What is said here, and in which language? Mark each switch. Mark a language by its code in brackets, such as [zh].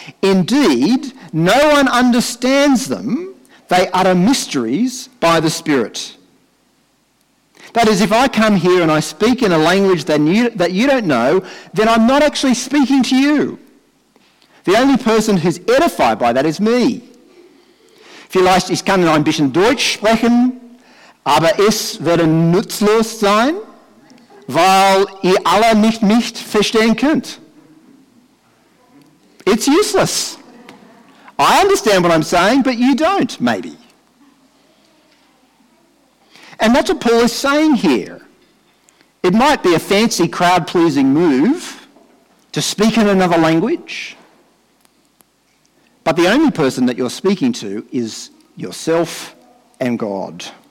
[en] Indeed, no one understands them. They utter mysteries by the Spirit." That is, if I come here and I speak in a language that you don't know, then I'm not actually speaking to you. The only person who's edified by that is me. [de] Vielleicht ich kann ein bisschen Deutsch sprechen, aber es wird nutzlos sein, weil ihr alle nicht mich verstehen könnt. [en] It's useless. I understand what I'm saying, but you don't, maybe. And that's what Paul is saying here. It might be a fancy crowd-pleasing move to speak in another language, but the only person that you're speaking to is yourself and God.